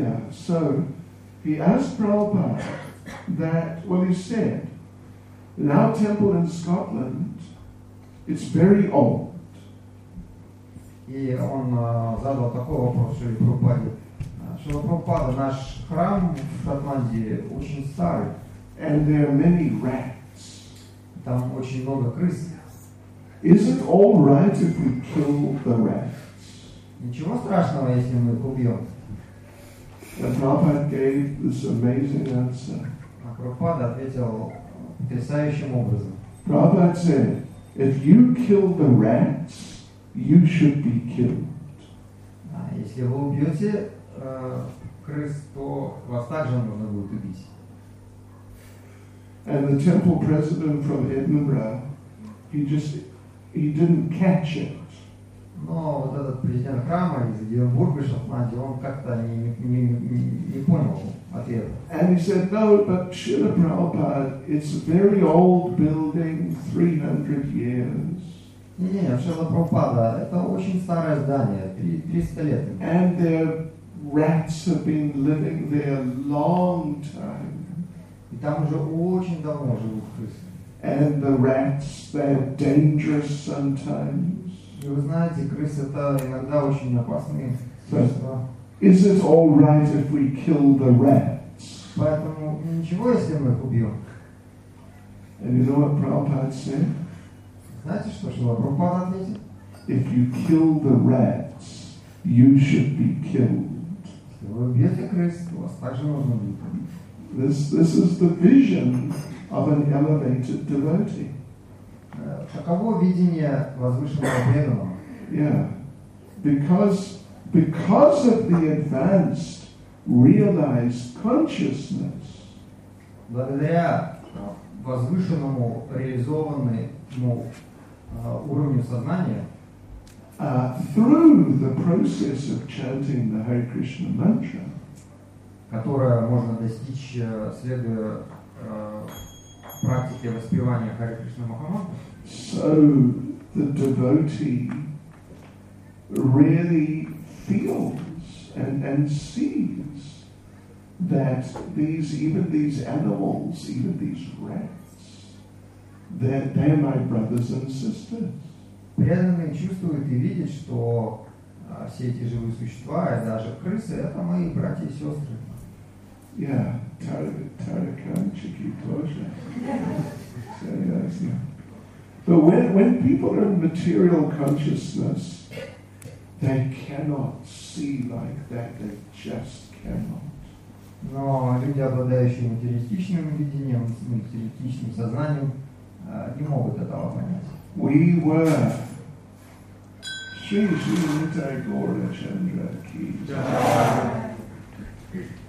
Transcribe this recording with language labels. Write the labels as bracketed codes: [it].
[en] So he asked Prabhupada that what he said. In our temple in Scotland, it's very old. [ru] И он задал такой вопрос Шри Прабхупаде. Шри Прабхупада, наш храм в Шотландии очень старый. [en] And there are many rats. [ru] Там очень много крыс. [en] Is it all right if we kill the rats? [ru] Ничего страшного, если мы их убьем. [en] And Prabhupada gave this amazing answer. [ru] А Прабхупада ответил потрясающим образом. [en] Prabhupada said, if you kill the rats, you should be killed. [ru] Если вы убьете крыс, то вас также нужно будет убить. [en] And the temple president from Edinburgh, he didn't catch it. [ru] Но вот этот президент храма из Эдинбурга, Шотландии, он как-то не понял ответа. [en] And he said, no, but Srila Prabhupada, it's a very old building, 300 years. [ru] Не-не, Шрила Прабхупада, это очень старое здание, 300 лет. [en] And their rats have been living there long time. [ru] И там уже очень давно живут крысы. [en] And the rats, they're dangerous sometimes. [ru] И вы знаете, крысы это иногда очень опасные. [en] Is it all right if we kill the rats? [ru] Поэтому ничего, если мы их убьем. [en] And you know what Prabhupada said? [ru] Знаете, что Шрила Прабхупада ответит? [en] If you kill the rats, you should be killed. [ru] Если вы убьете крыс, то вас также нужно убить. [en] This is the vision of an elevated devotee. [ru] Таково видение возвышенного преданного. [en] Yeah. Because of the advanced realized consciousness. [ru] Благодаря возвышенному реализованному уровню сознания, [en] through the process of chanting the Hare Krishna mantra, [ru] которое можно достичь, следуя практике воспевания Hare Krishna Махамантры, [en] so the devotee really feels and sees that even these animals, even these rats, they're my brothers and sisters. [ru] Преданные чувствуют и видят, что все эти живые существа, и даже крысы, это мои братья и сестры. Yeah, Tarakan Chikitosha. [en] But when people are in material consciousness, they cannot see like that, they just cannot. [ru] Но люди, обладающие материалистичным видением, материалистичным сознанием, не могут этого понять. We were Shri Shri Nitai Gaura Chandra Ki.